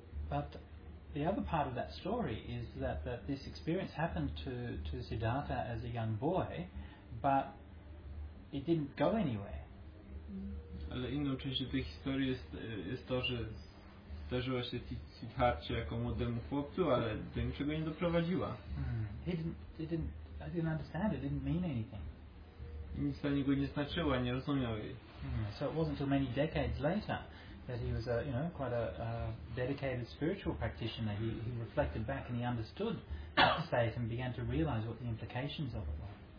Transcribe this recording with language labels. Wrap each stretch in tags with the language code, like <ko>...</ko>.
<en>But the other part of that story is that this experience happened to Siddhartha as a young boy, but it didn't go anywhere.</en> <pl>Ale inną częścią tej historii jest to, że zdarzyło się Siddhartha jako młodemu chłopcu, ale do niczego nie doprowadziła.</pl> <en>I didn't understand, it didn't mean anything.</en> <pl>Nic dla niego nie znaczyło, nie rozumiał jej.</pl> <en>So it wasn't until many decades later that he was quite a dedicated spiritual practitioner. He reflected back and he understood that state and began to realize what the implications of it were.</en>